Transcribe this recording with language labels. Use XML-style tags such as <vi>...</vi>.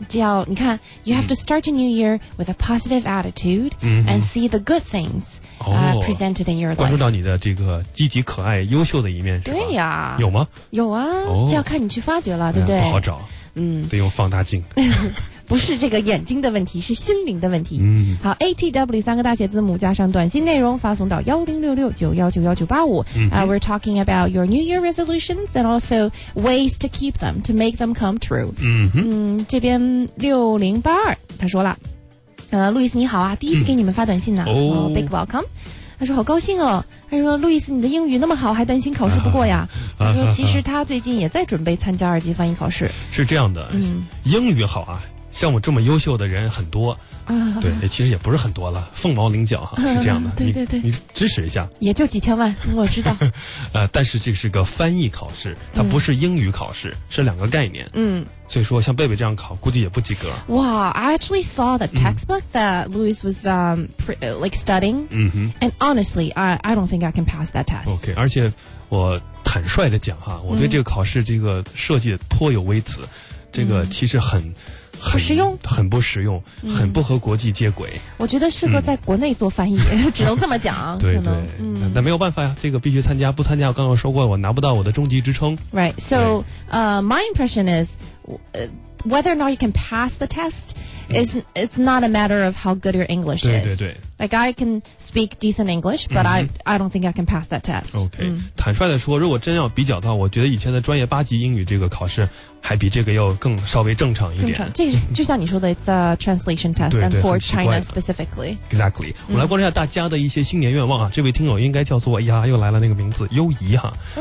<zh>只要你看</zh> <en>You have to start a new year with a positive attitude、嗯、 and see the good things、presented in your life</en> <zh>关注到你的这个积极可爱优秀的一面对呀有吗有啊、哦、就要看你去发掘了对不对、哎、不好找嗯，得用放大镜不是这个眼睛的问题是心灵的问题、嗯、好 ATW 三个大写字母加上短信内容发送到1066919 1985、嗯</zh> <en>we're talking about your New Year resolutions and also ways to keep them to make them come true 嗯, 哼</en> <zh>嗯这边6082他说了路易斯你好啊第一次给你们发短信呢、嗯 oh,</zh> <en>big welcome</en> <zh>他说好高兴哦他说路易斯你的英语那么好还担心考试不过呀、啊、他说其实他最近也在准备参加二级翻译考试是这样的、嗯、英语好啊像我这么优秀的人很多啊，对，其实也不是很多了，凤毛麟角哈、啊，是这样的。对对对，你支持一下，也就几千万，我知道。但是这是个翻译考试，它不是英语考试，嗯、是两个概念。嗯，所以说像贝贝这样考，估计也不及格。</zh> <en>Wow, I actually saw the textbook、嗯、that Louis was studying. 嗯哼。 And honestly, I don't think I can pass that test.</en> <zh>OK, 而且我坦率的讲哈、啊，我对这个考试这个设计颇有微词，嗯、这个其实很。不实用，很不实用、嗯，很不和国际接轨。我觉得适合在国内做翻译，嗯、只能这么讲。对对，那、嗯、没有办法呀，这个必须参加，不参加，我刚刚说过，我拿不到我的中级职称。</zh> <en>Right, so, my impression is, whether or not you can pass the test is、嗯、 it's not a matter of how good your English</en> <zh>对</zh> <en>is.</en> <zh>对对对。</zh> <en>Like I can speak decent English, but、嗯、 I don't think I can pass that test.</en> <zh>OK,、嗯、坦率的说，如果真要比较的话，我觉得以前的专业八级英语这个考试。还比这个要更稍微正常一点正常这就像你说的</zh> <en>It's a translation test</en> <zh>对对</zh> <en>And for China specifically Exactly、嗯、</en> <zh>我来关注一下大家的一些新年愿望啊。这位听友应该叫做哎呀又来了那个名字优怡哈、啊。</zh>